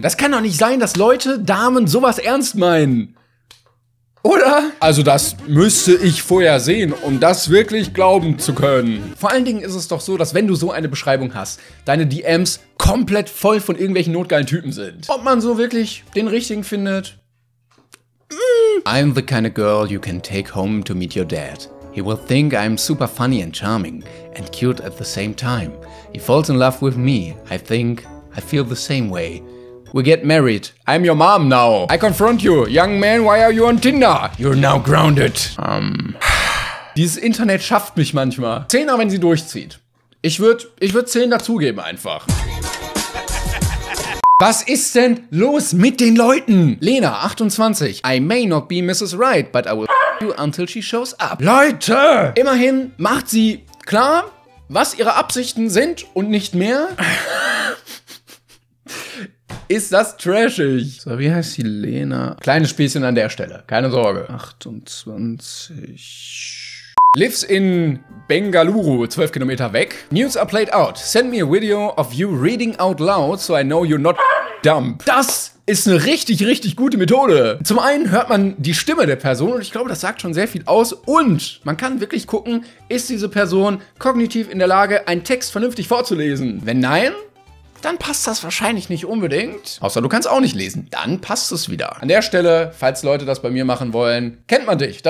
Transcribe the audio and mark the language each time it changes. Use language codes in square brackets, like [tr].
[de] Das kann doch nicht sein, dass Leute, Damen, sowas ernst meinen. Oder? Also das müsste ich vorher sehen, um das wirklich glauben zu können. Vor allen Dingen ist es doch so, dass wenn du so eine Beschreibung hast, deine DMs komplett voll von irgendwelchen notgeilen Typen sind. Ob man so wirklich den richtigen findet? [en] I'm the kind of girl you can take home to meet your dad. He will think I'm super funny and charming and cute at the same time. He falls in love with me. I think I feel the same way. We get married. I'm your mom now. I confront you. Young man, why are you on Tinder? You're now grounded. [de] Dieses Internet schafft mich manchmal. 10er, wenn sie durchzieht. Ich würd 10 dazugeben einfach. Was ist denn los mit den Leuten? Lena, 28. [en] I may not be Mrs. Right, but I will f*** you until she shows up. [de] Leute! Immerhin macht sie klar, was ihre Absichten sind und nicht mehr. Ist das trashig? So, wie heißt sie? Lena? Kleines Späßchen an der Stelle. Keine Sorge. 28. [en] Lives in Bengaluru, [de] 12 Kilometer weg. [en] News are played out. Send me a video of you reading out loud, so I know you're not dumb. [de] Das ist eine richtig, richtig gute Methode. Zum einen hört man die Stimme der Person und ich glaube, das sagt schon sehr viel aus. Und man kann wirklich gucken, ist diese Person kognitiv in der Lage, einen Text vernünftig vorzulesen? Wenn nein, dann passt das wahrscheinlich nicht unbedingt. Außer du kannst auch nicht lesen. Dann passt es wieder. An der Stelle, falls Leute das bei mir machen wollen, kennt man dich.